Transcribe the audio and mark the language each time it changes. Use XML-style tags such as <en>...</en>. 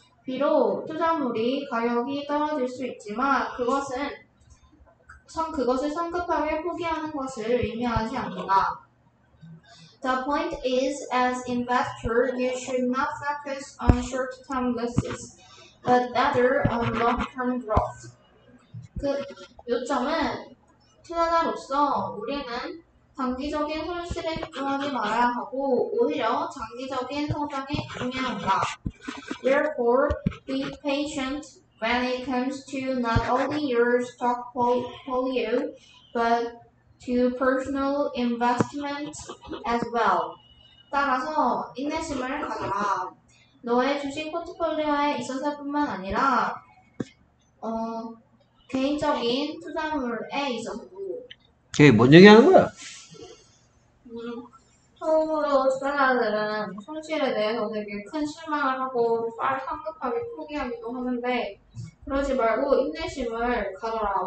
<ko>비록 투자물이 가격이 떨어질 수 있지만 그것을 성급하게 포기하는 것을 의미하지 않는다.</ko> <en>The point is, as investor, you should not focus on short-term losses, but rather on long-term growth.</en> <ko>그 요점은 투자자로서 우리는 단기적인 손실에 집중하지 말아야 하고 오히려 장기적인 성장에 중요한 것이다.</ko> <en>Therefore, be patient when it comes to not only your stock portfolio, but to personal investment as well.</en> <ko>따라서 인내심을 가져라. 너의 주식 포트폴리오에 있어서뿐만 아니라 개인적인 투자물에 있어서도. 걔 뭔 얘기하는 거야? 처음으로 투자자들은 손실에 대해서 되게 큰 실망을 하고 빨리 성급하게 포기하기도 하는데 그러지 말고 인내심을 가져라.</ko>